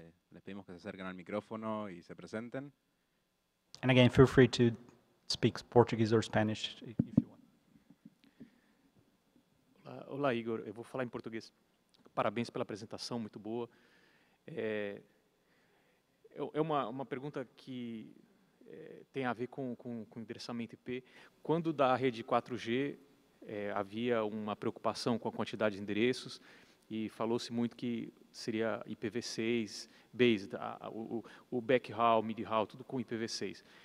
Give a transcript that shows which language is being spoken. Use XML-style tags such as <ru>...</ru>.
<es>Les pedimos que se acerquen al micrófono y se presenten.</es> <en>And again, feel free to speak Portuguese or Spanish if you want.</en> <pt>Hola, Igor. Eu vou falar em português. Parabéns pela apresentação, muito boa. É uma pergunta que tem a ver com endereçamento IP. Quando da rede 4G havia uma preocupação com a quantidade de endereços e falou-se muito que seria IPv6 based, o backhaul, midhaul, tudo com IPv6.</pt>